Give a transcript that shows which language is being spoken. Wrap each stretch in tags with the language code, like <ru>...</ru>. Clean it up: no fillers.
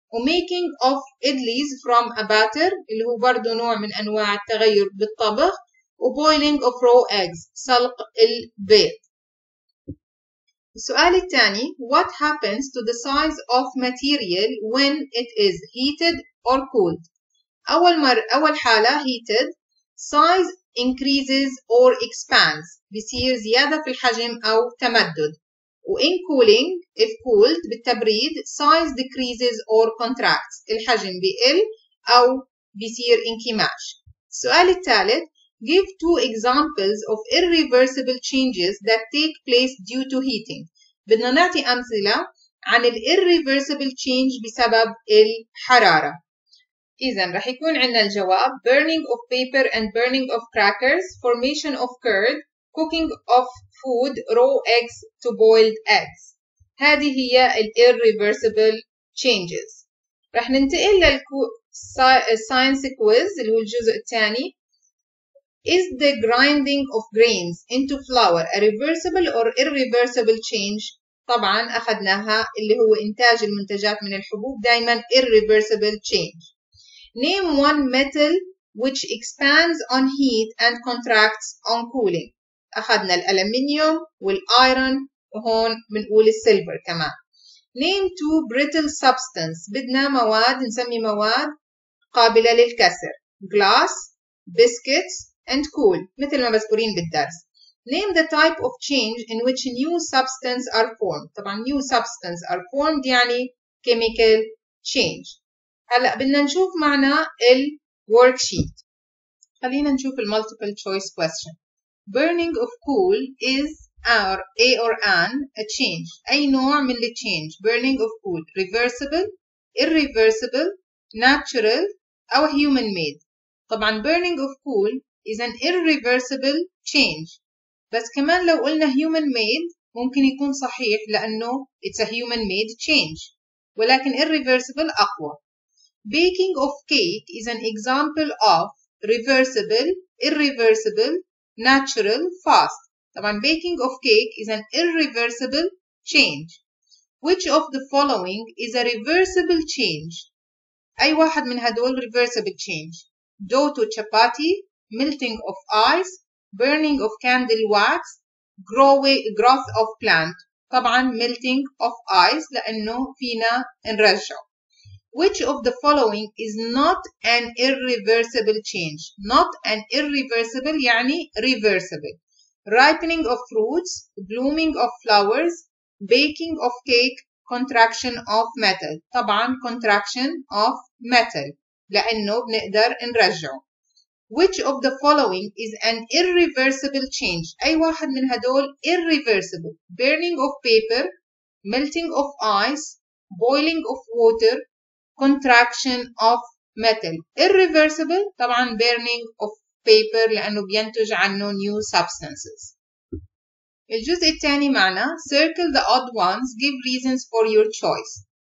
<en>making of idlis from a batter</en> <ar>اللي هو برضو نوع من أنواع التغير بالطبخ،</ar> <en>boiling of raw eggs</en> <ar>سلق البيض. السؤال الثاني</ar> <en>what happens to the size of material when it is heated or cooled.</en> <ar>أول حالة</ar> <en>heated size increases or expands</en> <ar>بيصير زيادة في الحجم أو تمدد، وإن كولينج if cooled بالتبريد</ar> <en>size decreases or contracts</en> <ar>الحجم بيقل أو بيصير انكماش.</ar> <en>السؤال الثالث give two examples of irreversible changes that take place due to heating.</en> <ar>بدنا نعطي أمثلة عن ال irreversible change بسبب الحرارة. إذن رح يكون عندنا الجواب</ar> <en>burning of paper and burning of crackers, formation of curd, cooking of food, raw eggs to boiled eggs.</en> <ar>هذه هي ال irreversible changes. رح ننتقل للscience quiz اللي هو الجزء الثاني.</ar> <en>Is the grinding of grains into flour a reversible or irreversible change?</en> <ar>طبعا أخذناها اللي هو إنتاج المنتجات من الحبوب دائما irreversible change.</ar> <en>Name one metal which expands on heat and contracts on cooling.</en> <ar>أخذنا الألمنيوم والآيرون وهون بنقول السيلفر كمان.</ar> <en>Name two brittle substance.</en> <ar>بدنا مواد نسمي مواد قابلة للكسر.</ar> <en>Glass, biscuits and cool.</en> <ar>مثل ما مذكورين بالدرس.</ar> <en>Name the type of change in which new substance are formed. طبعا new substance are formed</en> <ar>يعني</ar> <en>chemical change.</en> <ar>هلأ بدنا نشوف معنا ال worksheet.</ar> <en>خلينا نشوف ال multiple choice question. Burning of coal is our A or an a change.</en> <ar>أي نوع من the change.</ar> <en>Burning of coal. Reversible, irreversible, natural, or human made. طبعا burning of coal is an irreversible change.</en> <ar>بس كمان لو قلنا human made ممكن يكون صحيح لأنه</ar> <en>it's a human made change.</en> <ar>ولكن irreversible أقوى.</ar> <en>Baking of cake is an example of reversible, irreversible, natural, fast. طبعاً baking of cake is an irreversible change. Which of the following is a reversible change?</en> <ar>أي واحد من هدول reversible change?</ar> <en>Dough to chapati, melting of ice, burning of candle wax, growth of plant.</en> <ar>طبعاً</ar> <en>melting of ice</en> <ar>لأنه فينا نرجع.</ar> <en>Which of the following is not an irreversible change? Not an irreversible</en> <ar>يعني</ar> <en>reversible. Ripening of fruits, blooming of flowers, baking of cake, contraction of metal.</en> <ar>طبعاً</ar> <en>contraction of metal</en> <ar>لأنه بنقدر نرجعه.</ar> <en>Which of the following is an irreversible change?</en> <ar>أي واحد من هدول irreversible.</ar> <en>Burning of paper, melting of ice, boiling of water, contraction of metal. Irreversible, طبعاً burning of paper</en> <ar>لأنه بينتج عنه</ar> <en>new substances.</en> <ar>الجزء الثاني معنا,</ar> <en>circle the odd ones, give reasons for your choice.</en>